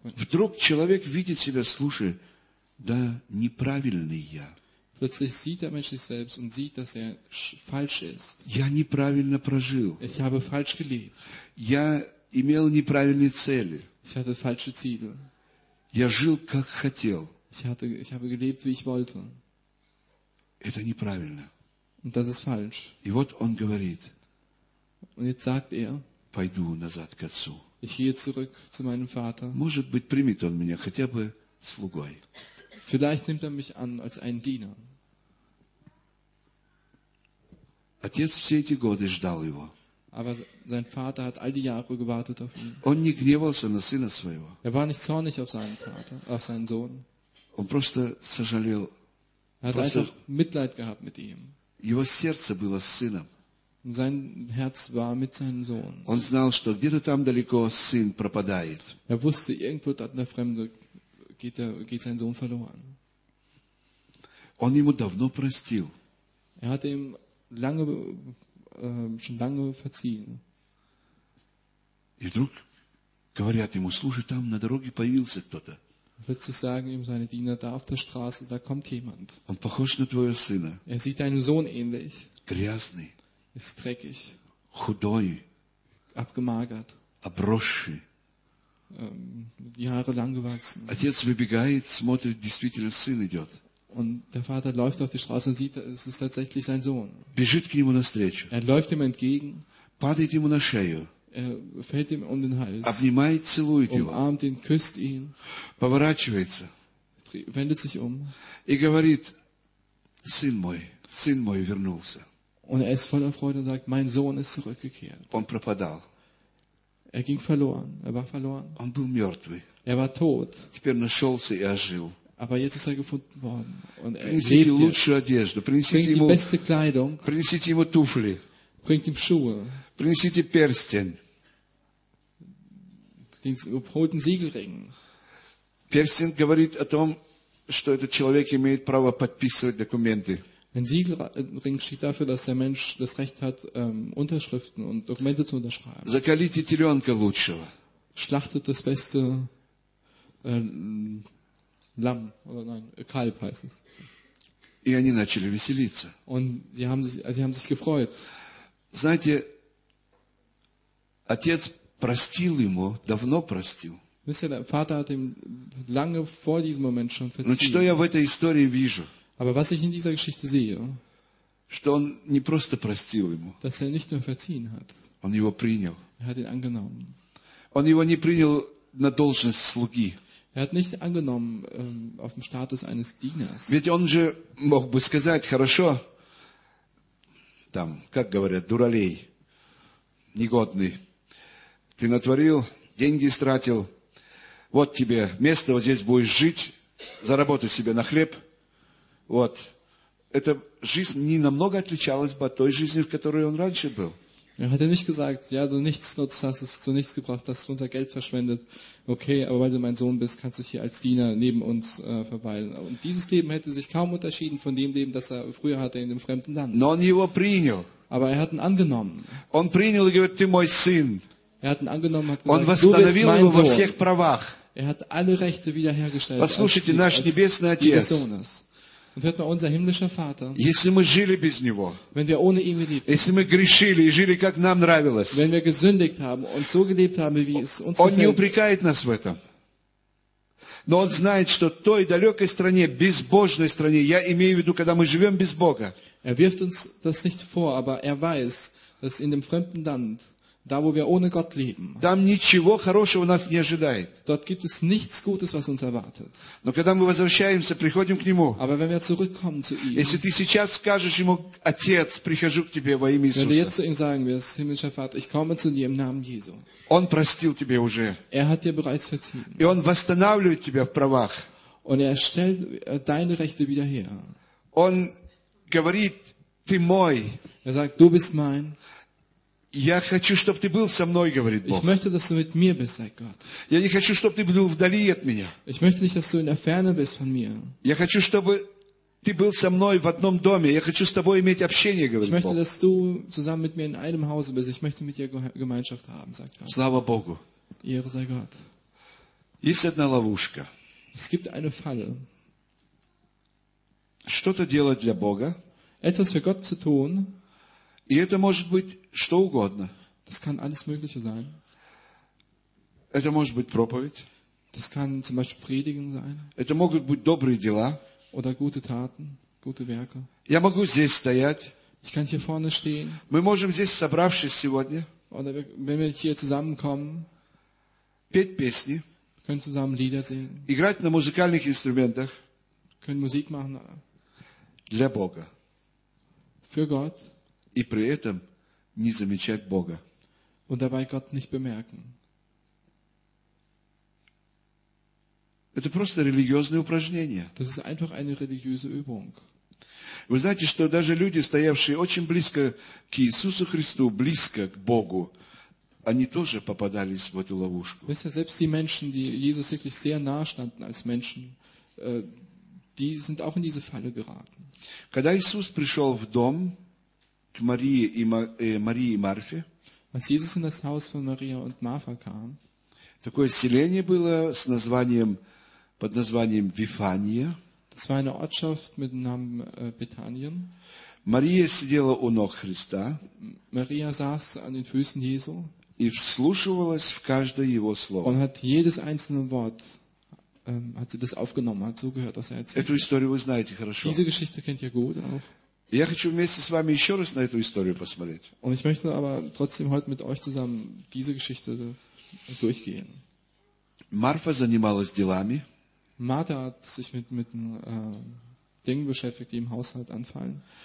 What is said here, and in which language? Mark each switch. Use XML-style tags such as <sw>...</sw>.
<ru>Вдруг человек видит себя, слушай, да неправильный я.</ru> <de>Plötzlich sieht der Mensch sich selbst und sieht, dass er falsch ist.</de> <ru>Я неправильно прожил.</ru> <de>Ich habe falsch gelebt.</de> <ru>Я имел неправильные цели.</ru> <de>Ich hatte falsche Ziele.</de> <ru>Я жил, как хотел.</ru> <de>Ich habe gelebt, wie ich wollte.</de> <ru>Это неправильно.</ru> <de>Und das ist falsch.</de> <ru>И вот он говорит.</ru> <de>Und jetzt sagt er.</de> <ru>Пойду назад к отцу.</ru> <de>Ich gehe zurück zu meinem Vater.</de> <ru>Может быть, примет он меня хотя бы слугой.</ru> <de>Vielleicht nimmt er mich an als einen Diener.</de> <ru>Отец все эти годы ждал его.</ru> <de>Aber sein Vater hat all die Jahre gewartet auf ihn.</de> <ru>Он не гневался на сына своего.</ru> <de>Er war nicht zornig auf seinen Vater, auf seinen Sohn.</de> <ru>Он просто сожалел.</ru> <de>Er hat einfach Mitleid gehabt mit ihm.</de> <ru>Его сердце было с сыном.</ru> <de>Und sein Herz war mit seinem Sohn.</de> <ru>Он знал, что где-то там далеко сын пропадает.</ru> <de>Er wusste, irgendwo dort in der Fremde geht sein Sohn verloren.</de> <ru>Он ему давно простил.</ru> <de>Er hat ihm schon lange verziehen.</de> <ru>И вдруг говорят ему, слушай, там на дороге появился кто-то.</ru> <de>Plötzlich sagen ihm seine Diener, da auf der Straße, da kommt jemand.</de> <ru>Он похож на твоего сына.</ru> <de>Er sieht deinen Sohn ähnlich.</de> <ru>Грязный.</ru> <de>Ist dreckig.</de> <ru>Худой.</ru> <de>Abgemagert.</de> <ru>Обросший.</ru> <de>Die Haare lang gewachsen.</de> <ru>Отец выбегает, смотрит, действительно сын идет.</ru> <de>Und der Vater läuft auf die Straße und sieht, es ist tatsächlich sein Sohn.</de> <ru>Бежит к нему навстречу.</ru> <de>Er läuft ihm entgegen.</de> <ru>Падает ему на шею.</ru> <de>Er fällt ihm um den Hals.</de> <ru>Обнимает, целует его.</ru> <de>Umarmt ihn, küsst ihn.</de> <ru>Поворачивается.</ru> <de>Wendet sich um.</de> <ru>И говорит, сын мой вернулся.</ru> <de>Und er ist voller Freude und sagt, mein Sohn ist zurückgekehrt.</de> <ru>Он пропадал.</ru> <de>Er ging verloren, er war verloren.</de> <ru>Он был мертвый.</ru> <de>Er war tot.</de> <ru>Теперь нашелся и ожил.</ru> <de>Aber jetzt ist er gefunden worden. Und er</de> <ru>принесите</ru> <de>lebt</de> <ru>лучшую</ru> <de>jetzt.</de> <ru>Одежду. Принесите</ru> <de>Bringt</de> <ru>ему,</ru> <de>die beste Kleidung.</de> <ru>Принесите ему туфли.</ru> <de>Bringt ihm Schuhe.</de> <ru>Принесите перстень.</ru> <de>Den geholten Siegelring.</de> <ru>Перстень говорит о том, что этот человек имеет право подписывать документы.</ru> <de>Ein Siegelring steht dafür, dass der Mensch das Recht hat, Unterschriften und Dokumente zu unterschreiben.</de> <ru>Закалите теленка лучшего.</ru> <de>Schlachtet das beste Lamm, oder nein, Kalb heißt es.</de> <ru>И они начали веселиться.</ru> <de>Und sie haben sich gefreut.</de> <ru>Знаете, отец простил ему, давно простил.</ru> <de>Wisst ihr, der Vater hat ihm lange vor diesem Moment schon verziehen. Und</de> <ru>что я в этой истории вижу?</ru> <de>Aber was ich in dieser Geschichte sehe,</de> <ru>что он не просто простил ему,</ru> <de>dass er nicht nur verziehen hat,</de> <ru>он его принял.</ru> <de>Er hat ihn angenommen.</de> <ru>Он его не принял на должность слуги.</ru> <de>Er hat nicht angenommen auf dem Status eines Dieners.</de> <ru>Ведь он же мог бы сказать, хорошо, там, как говорят, дуралей, негодный, ты натворил, деньги истратил, вот тебе место, вот здесь будешь жить, заработай себе на хлеб. Вот. Эта жизнь не намного отличалась бы от той жизни, в которой он раньше был.</ru> <de>Er hat nicht gesagt, ja, du nichts nutzt, hast es zu nichts gebracht, hast unser Geld verschwendet. Okay, aber weil du mein Sohn bist, kannst du hier als Diener neben uns verweilen. Und dieses Leben hätte sich kaum unterschieden von dem Leben, das er früher hatte in dem fremden Land.</de> <ru>Но он его принял.</ru> <de>Aber er hat ihn angenommen.</de> <ru>Он принял и говорит, ты мой сын.</ru> <de>Er hat ihn angenommen und hat gesagt, du bist mein Sohn.</de> <ru>Во всех правах.</ru> <de>Er hat alle Rechte wiederhergestellt.</de> <ru>Послушайте, наш небесный отец.</ru> <de>Und hört mal, unser himmlischer Vater,</de> <ru>если мы жили без него,</ru> <de>wenn wir ohne ihn gelebt,</de> <ru>если мы грешили и жили, как нам нравилось,</ru> <de>wenn wir gesündigt haben und so gelebt haben, wie es uns</de> <ru>gefällt, он не упрекает нас в этом. Но он знает, что той далекой стране, безбожной стране, я имею в виду, когда мы живем без Бога,</ru> <de>er wirft uns das nicht vor, aber er weiß, dass in dem fremden Land, da wo wir ohne Gott leben,</de> <ru>там ничего хорошего нас не ожидает.</ru> <de>Dort gibt es nichts Gutes, was uns erwartet.</de> <ru>Но когда мы возвращаемся, приходим к нему.</ru> <de>Aber wenn wir zurückkommen zu ihm.</de> <ru>Если ты сейчас скажешь ему, отец, прихожу к тебе во имя Иисуса.</ru> <de>Wenn du jetzt zu ihm sagen wirst, himmlischer Vater, ich komme zu dir im Namen Jesu.</de> <ru>Он простил тебе уже.</ru> <de>Er hat dir bereits verziehen.</de> <ru>И он восстанавливает тебя в правах.</ru> <de>Und er stellt deine Rechte wieder her.</de> <ru>Он говорит, ты мой.</ru> <de>Er sagt, du bist mein.</de> <ru>Я хочу, чтобы ты был со мной, говорит Бог.</ru> <de>Ich möchte, dass du mit mir bist, sagt Gott.</de> <ru>Я не хочу, чтобы ты был вдали от меня.</ru> <de>Ich möchte nicht, dass du in der Ferne bist von mir.</de> <ru>Я хочу, чтобы ты был со мной в одном доме. Я хочу с тобой иметь общение, говорит</ru> <de>Ich möchte,</de> <ru>Бог.</ru> <de>Dass du zusammen mit mir in einem Hause bist. Ich möchte mit dir Gemeinschaft haben, sagt Gott.</de> <ru>Слава Богу.</ru> <de>Ehre sei Gott.</de> <ru>Есть одна ловушка.</ru> <de>Es gibt eine Falle.</de> <ru>Что-то делать для Бога.</ru> <de>Etwas für Gott zu tun.</de> <ru>И это может быть что угодно.</ru> <de>Das kann alles Mögliche sein.</de> <ru>Это может быть проповедь.</ru> <de>Das kann zum Beispiel Predigen sein.</de> <ru>Это могут быть добрые дела.</ru> <de>Oder gute Taten, gute Werke.</de> <ru>Я могу здесь стоять.</ru> <de>Ich kann hier vorne stehen.</de> <ru>Мы можем здесь, собравшись сегодня,</ru> <de>oder wenn wir hier zusammenkommen,</de> <ru>петь песни.</ru> <de>Können zusammen Lieder singen.</de> <ru>Играть на музыкальных инструментах.</ru> <de>Können Musik machen.</de> <ru>Для Бога.</ru> <de>Für Gott.</de> <ru>И при этом не замечать Бога.</ru> <de>Und dabei Gott nicht bemerken.</de> <ru>Это просто религиозное упражнение.</ru> <de>Das ist einfach eine religiöse Übung.</de> <ru>Вы знаете, что даже люди, стоявшие очень близко к Иисусу Христу, близко к Богу, они тоже попадались в эту ловушку.</ru> <de>Wisst ihr, selbst die Menschen, die Jesus wirklich sehr nahe standen als Menschen, die sind auch in diese Falle geraten.</de> <ru>Когда Иисус пришел в дом к Марии и Марии и Марфе,</ru> <de>als Jesus in das Haus von Maria und Martha kam,</de> <ru>такое селение было с названием, под названием Вифания.</ru> <de>Das war eine Ortschaft mit dem Namen Bethanien.</de> <ru>Мария сидела у ног Христа.</ru> <de>Maria saß an den Füßen Jesu.</de> <ru>И вслушивалась в каждое его слово. Он</ru> <de>hat jedes einzelne Wort, hat sie das aufgenommen, hat zugehört, was er erzählt.</de> <ru>Эту историю вы знаете хорошо.</ru> <de>Diese Geschichte kennt ihr gut auch.</de> <ru>Я хочу вместе с вами еще раз на эту историю посмотреть.</ru> <de>Und ich möchte aber trotzdem heute mit euch zusammen diese Geschichte durchgehen.</de> <ru>Марфа занималась делами.</ru> <de>Martha hat sich mit Dingen beschäftigt, die im Haushalt anfallen.</de>